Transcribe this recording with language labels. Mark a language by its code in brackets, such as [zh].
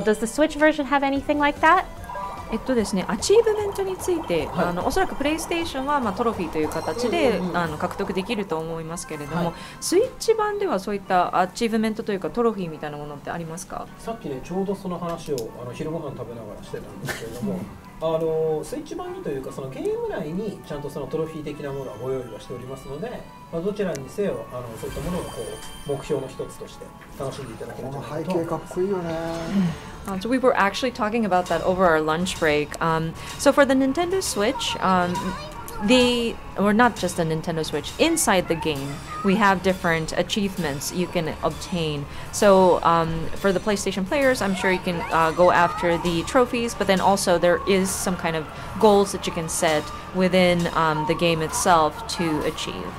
[en] Does the Switch version have anything like that? [ja] アチーブメントについて、はい、おそらくプレイステーションは、トロフィーという形で、獲得できると思いますけれども、はい、スイッチ版ではそういったアチーブメントというかトロフィーみたいなものってありますか？さっき、ね、ちょうどその話を昼ご飯食べながらしてたんですけれどもスイッチ版にというかそのゲーム内にちゃんとそのトロフィー的なものはご用意はしておりますので、どちらにせよそういったものをこう目標の一つとして楽しんでいただけると思います。背景かっこいいよね。 [en] So we were actually talking about that over our lunch break. So for the Nintendo Switch, not just the Nintendo Switch, inside the game, we have different achievements you can obtain. So for the PlayStation players, I'm sure you can go after the trophies, but then also there is some kind of goals that you can set within the game itself to achieve.